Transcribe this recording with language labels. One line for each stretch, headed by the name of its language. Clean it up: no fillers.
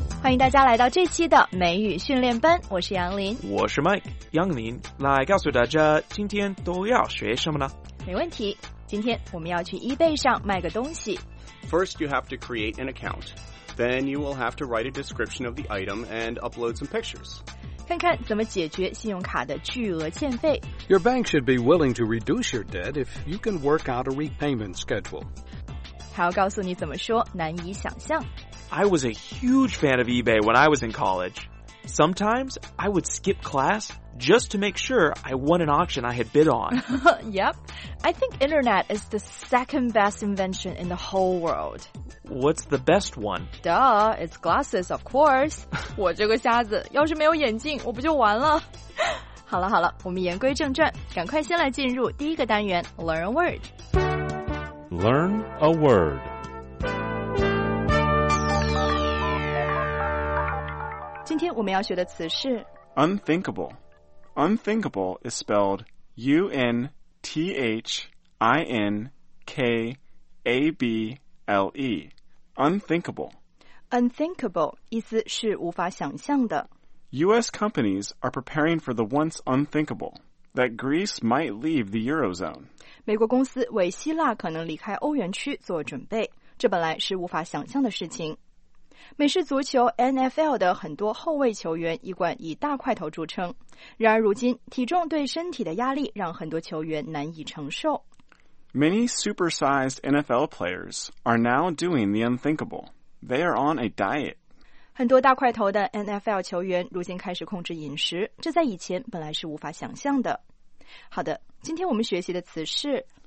Chinese: 迎大家来到这期的美语训练班，我是杨林，我是 Mike。杨林，来告诉大家今天都要学什么呢？没问题，今天我们要去 eBay 上卖个东西。
English: First you have to create an account, then you will have to write a description of the item and upload some pictures.
Chinese: 看看怎么解决信用卡的巨额欠费。
English: Your bank should be willing to reduce your debt if you can work out a repayment schedule.
Chinese: 还要告诉你怎么说，难以想象。
English: I was a huge fan of eBay when I was in college. Sometimes I would skip class just to make sure I won an auction I had bid on. Yep. I think internet is the second best invention in the whole world. What's the best one? Duh, it's glasses, of course.
Chinese: 我这个瞎子要是没有眼镜我不就完了。好了好了，我们言归正传，赶快先来进入第一个单元
English: Learn a word. Learn a word.
Chinese: 今天我们要学的词是
English: Unthinkable. Unthinkable is spelled UNTHINKABLEUnthinkable.
Chinese: Unthinkable 意思是无法想象的。
English: U.S. companies are preparing for the once unthinkable, that Greece might leave the Eurozone.
Chinese: 美国公司为希腊可能离开欧元区做准备，这本来是无法想象的事情。美式足球 NFL 的很多后卫球员一贯以大块头著称，然而如今体重对身体的压力让很多球员难以承受。
English: Many supersized NFL players are now doing the unthinkable. They are on a diet.
Chinese: 很多大块头的 NFL 球员如今开始控制饮食，这在以前本来是无法想象的。好的，今天我们学习的词是